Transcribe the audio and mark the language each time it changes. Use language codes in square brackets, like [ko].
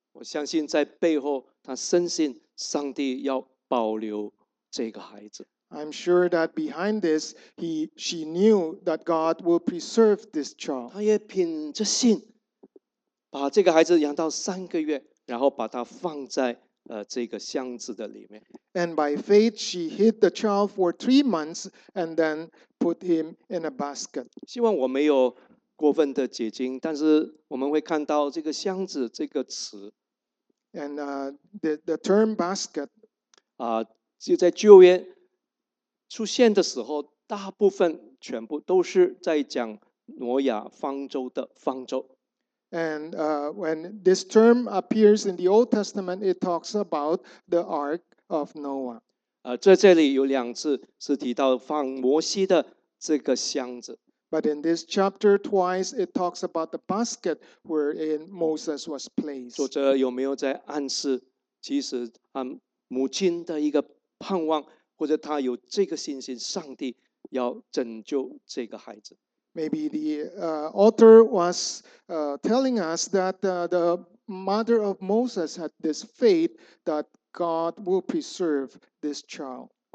[zh] 我相信在背后，他深信上帝要保留这个孩子。 [en] I'm sure that behind this, she knew that God will preserve this child. [zh] 他也凭着信。把这个孩子养到三个月，然后把他放在这个箱子的里面。 [en] And by faith, she hid the child for 3 months and then put him in a basket. [zh] 希望我没有过分的解经，但是我们会看到这个箱子这个词。 [en] And the term basket. [zh] 就在旧约出现的时候，大部分全部都是在讲挪亚方舟的方舟。 [en] And when this term appears in the Old Testament, it talks about the Ark of Noah. [zh] 这里有两次是提到放摩西的这个箱子。 [en] But in this chapter, twice it talks about the basket wherein Moses was placed. [zh] 作者有没有在暗示，其实母亲的一个盼望，或者他有这个信心，上帝要拯救这个孩子。 [en] Maybe the author was telling us that the mother of Moses had this faith that God will preserve this child.